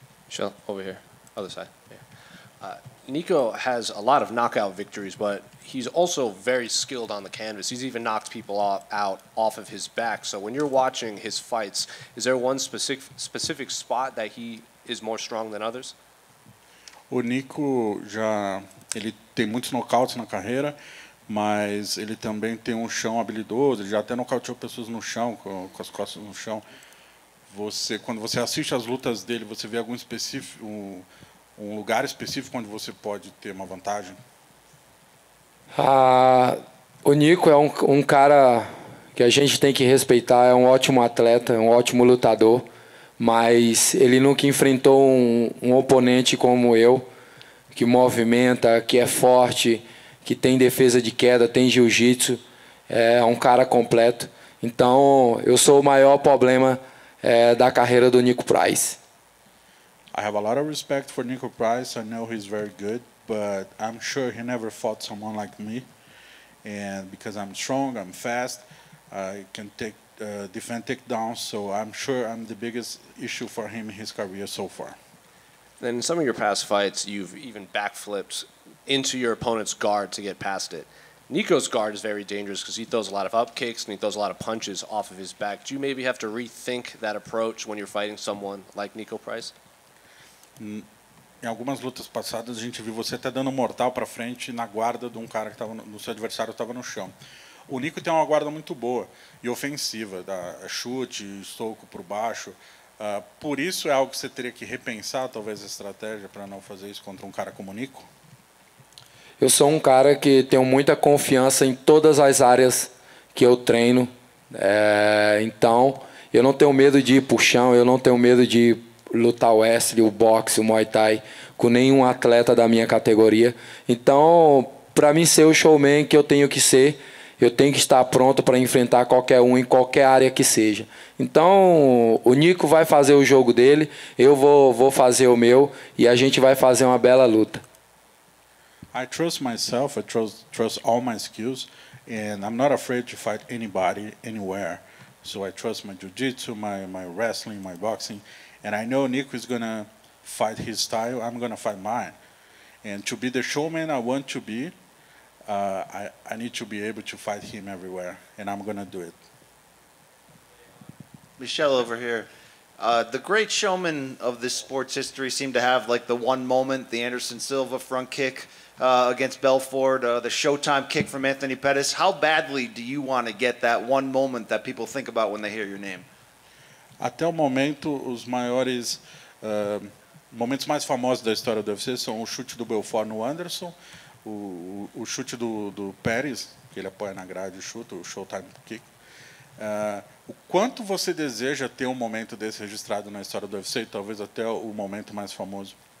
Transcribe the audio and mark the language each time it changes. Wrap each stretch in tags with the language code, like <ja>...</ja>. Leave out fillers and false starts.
<en>Sean, over here, other side. Nico has a lot of knockout victories, but he's also very skilled on the canvas. He's even knocked people out of his back. So when you're watching his fights, is there one specific spot that he is more strong than others?</en> <pt>O Nico já ele tem muitos nocautes na carreira, mas ele também tem um chão habilidoso. Ele já até nocauteou pessoas no chão, com as costas no chão. Você, quando você assiste as lutas dele, você vê algum específico... Um lugar específico onde você pode ter uma vantagem? O Nico é um cara que a gente tem que respeitar. É um ótimo atleta, um ótimo lutador. Mas ele nunca enfrentou um oponente como eu, que movimenta, que é forte, que tem defesa de queda, tem jiu-jitsu. É um cara completo. Então, eu sou o maior problema da carreira do Nico Price.</pt> <en>I have a lot of respect for Nico Price. I know he's very good, but I'm sure he never fought someone like me. And because I'm strong, I'm fast, I can take defend takedowns, so I'm sure I'm the biggest issue for him in his career so far. Then in some of your past fights, you've even backflipped into your opponent's guard to get past it. Nico's guard is very dangerous because he throws a lot of up kicks and he throws a lot of punches off of his back. Do you maybe have to rethink that approach when you're fighting someone like Nico Price?</en> <pt>Em algumas lutas passadas, a gente viu você até dando mortal para frente na guarda de um cara que estava no seu adversário, estava no chão. O Nico tem uma guarda muito boa e ofensiva, da chute, soco por baixo. Por isso é algo que você teria que repensar, talvez, a estratégia para não fazer isso contra um cara como o Nico? Eu sou um cara que tenho muita confiança em todas as áreas que eu treino. Então, eu não tenho medo de ir para o chão, eu não tenho medo de lutar o wrestling, o boxe, o muay thai, com nenhum atleta da minha categoria. Então, para mim ser o showman que eu tenho que ser, eu tenho que estar pronto para enfrentar qualquer um em qualquer área que seja. Então, o Nico vai fazer o jogo dele, eu vou fazer o meu e a gente vai fazer uma bela luta.</pt> <en>I trust myself, I trust all my skills, and I'm not afraid to fight anybody, anywhere. So I trust my jiu-jitsu, my wrestling, my boxing. And I know Nico is going to fight his style. I'm going to fight mine. And to be the showman I want to be, I need to be able to fight him everywhere. And I'm going to do it. Michelle over here. The great showmen of this sport's history seem to have like the one moment, the Anderson Silva front kick against Belfort, the Showtime kick from Anthony Pettis. How badly do you want to get that one moment that people think about when they hear your name?</en> <pt>Até o momento, os maiores momentos mais famosos da história do UFC são o chute do Belfort no Anderson, o chute do Pérez, que ele apoia na grade e chuta, o Showtime Kick. O quanto você deseja ter um momento desse registrado na história do UFC, talvez até o momento mais famoso?</pt>